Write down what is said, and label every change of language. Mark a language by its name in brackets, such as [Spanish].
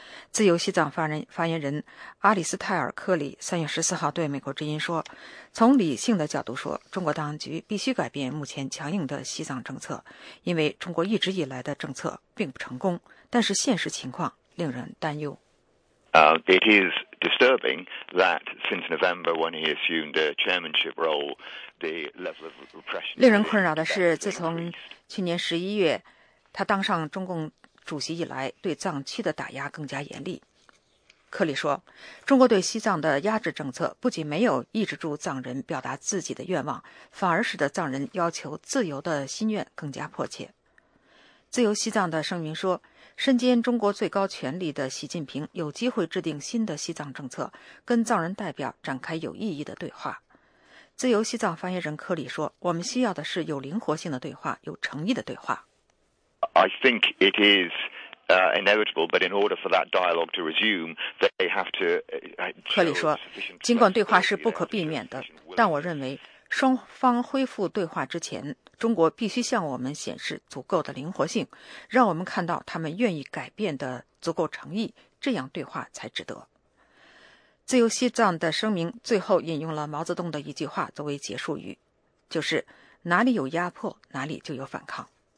[Chinese] 自由西藏发言人阿里斯泰尔·克里3月14号对美国之音说，从理性的角度说，中国当局必须改变目前强硬的西藏政策，因为中国一直以来的政策并不成功，但是现实情况令人担忧。 [English] It is disturbing that since November, when he assumed a chairmanship role, the level of repression. [Chinese] 令人困扰的是，自从去年11月他当上中共主席以来，对藏区的打压更加严厉。克里说，中国对西藏的压制政策不仅没有抑制住藏人表达自己的愿望，反而使得藏人要求自由的心愿更加迫切。自由西藏的声明说，身兼中国最高权力的习近平有机会制定新的西藏政策，跟藏人代表展开有意义的对话。自由西藏发言人克里说，我们需要的是有灵活性的对话，有诚意的对话。 [English] I think it is inevitable, but in order for that dialogue to resume, they have to. [Chinese] 克里说，尽管对话是不可避免的，但我认为双方恢复对话之前，中国必须向我们显示足够的灵活性，让我们看到他们愿意改变的足够诚意，这样对话才值得。自由西藏的声明最后引用了毛泽东的一句话作为结束语，就是哪里有压迫，哪里就有反抗。